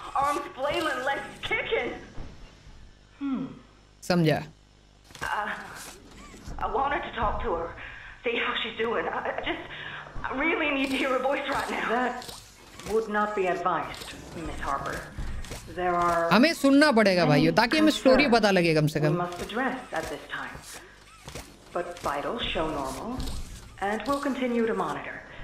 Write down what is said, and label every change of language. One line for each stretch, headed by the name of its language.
English: Arms flailing, legs kicking.
Hindi: Samjha.
English: I wanted to talk to her, see how she's doing. I really need to hear her voice right now. That would not be advised, Miss Harper. There are.
Hindi: हमें सुनना पड़ेगा भाइयों ताकि हमें story पता लगे कम से कम.
English: We must address at this time, but vitals show normal, and we'll continue to monitor.